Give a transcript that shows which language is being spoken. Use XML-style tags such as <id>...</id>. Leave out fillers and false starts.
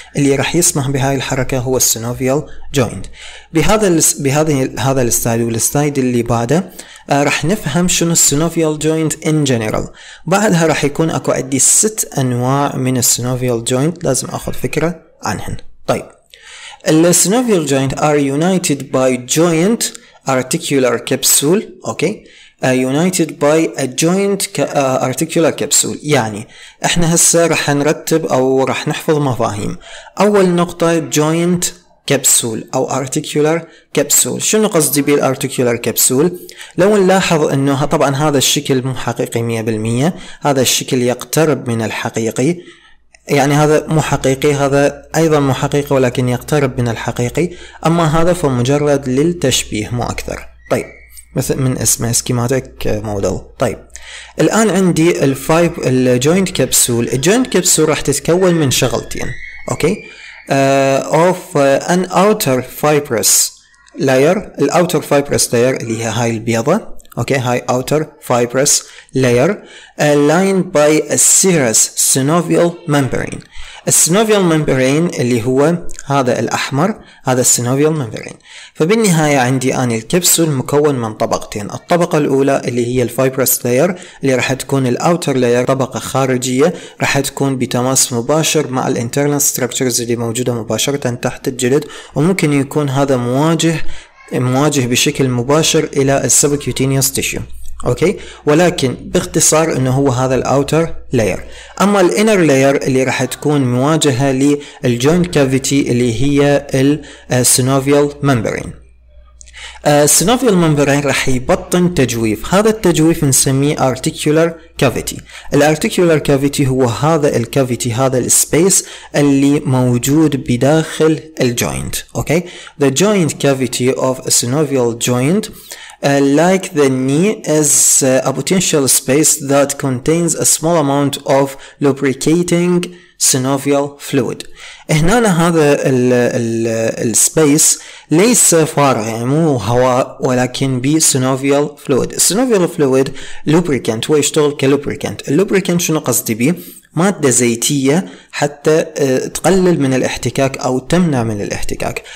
<ar>اللي راح يسمح بهذه الحركة هو السينوفيال جوينت. بهذا الستايل والستايل اللي بعده راح نفهم شنو السينوفيال جوينت</ar> <en>in general.</en> <ar>بعدها راح يكون أكو عندي 6 أنواع من السينوفيال جوينت لازم أخذ فكرة عنهن. طيب</ar> <en>The synovial joint are united by joint articular capsule. Okay. United by a joint articular capsule.</en> <ar>يعني احنا هسه رح نرتب او رح نحفظ مفاهيم. اول نقطة joint capsule او articular capsule. شنو قصدي بال articular capsule؟ لو نلاحظ انه طبعا هذا الشكل مو حقيقي 100%، هذا الشكل يقترب من الحقيقي، يعني هذا مو حقيقي، هذا ايضا مو حقيقي ولكن يقترب من الحقيقي، اما هذا فمجرد للتشبيه مو اكثر. طيب مثل من اسمه schematic model. طيب الآن عندي الفايب الجوينت كبسول. الجوينت كبسول راح تتكون من شغلتين، أوكي؟</ar> <en>of an outer fibrous layer. الأوتر fibrous layer</en> <ar>اللي هي هاي البيضة، أوكي؟ هاي</ar> <en>outer fibrous layer aligned by a serous synovial membrane.</en> <ar>السينوفيال ممبرين اللي هو هذا الأحمر، هذا السينوفيال ممبرين. فبالنهاية عندي أنا الكبسول مكون من طبقتين، الطبقة الأولى اللي هي الفايبروس لاير اللي راح تكون الأوتر لاير، طبقة خارجية راح تكون بتماس مباشر مع الانترنال ستركتشرز اللي موجودة مباشرة تحت الجلد، وممكن يكون هذا مواجه بشكل مباشر إلى السبكيوتينيوس تيشيو، اوكي؟ ولكن باختصار انه هو هذا الاوتر لاير. اما الانر لاير اللي راح تكون مواجهه للجوينت كافيتي اللي هي السينوفيال ممبرين. السينوفيال ممبرين راح يبطن تجويف، هذا التجويف نسميه articular cavity. الarticular cavity هو هذا الكافيتي، هذا السبيس اللي موجود بداخل الجوينت، اوكي؟</ar> <en>The joint cavity of a synovial joint like the knee is a potential space that contains a small amount of lubricating synovial fluid.</en> <ar>هنا هذا السبيس ليس فارغ، يعني مو هواء ولكن بي synovial fluid. synovial fluid lubricant، هو يشتغل كلوبريكانت. اللوبريكانت شنو قصدي بي؟ مادة زيتية حتى تقلل من الاحتكاك أو تمنع من الاحتكاك.</ar>